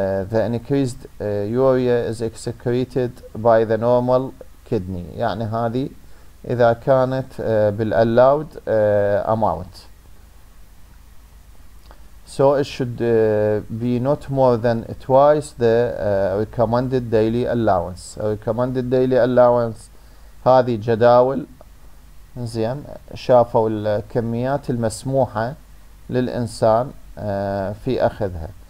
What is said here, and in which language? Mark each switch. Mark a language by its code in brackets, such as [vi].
[en] The increased urea is excreted by the normal kidney. [ar] يعني هذه إذا كانت بال [en] allowed amount. So it should be not more than twice the recommended daily allowance. A recommended daily allowance [ar] هذه جداول. زين، شافوا الكميات المسموحة للإنسان في أخذها.